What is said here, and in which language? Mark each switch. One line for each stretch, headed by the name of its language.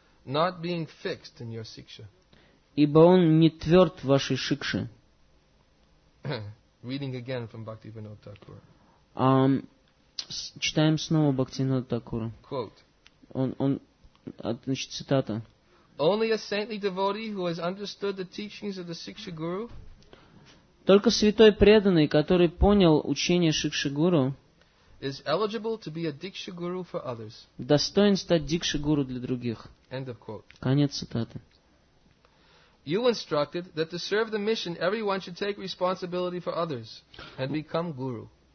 English: Not being fixed in your siksha.
Russian: Ибо он не тверд в вашей шикше.
English: Reading again from Bhaktivinoda Thakura.
Russian: Читаем снова Бхактивинода Такура.
English: Quote.
Russian: Он, значит, цитата.
English: Only a saintly devotee who has understood the teachings of the Siksha Guru.
Russian: Только святой преданный, который понял учение Шикши Гуру,
English: is eligible to be a Diksha Guru for others.
Russian: Достоин стать Дикши Гуру для других.
English: End of quote.
Russian: Конец цитаты.
English: You instructed that to serve the mission, everyone should take responsibility for others and become guru.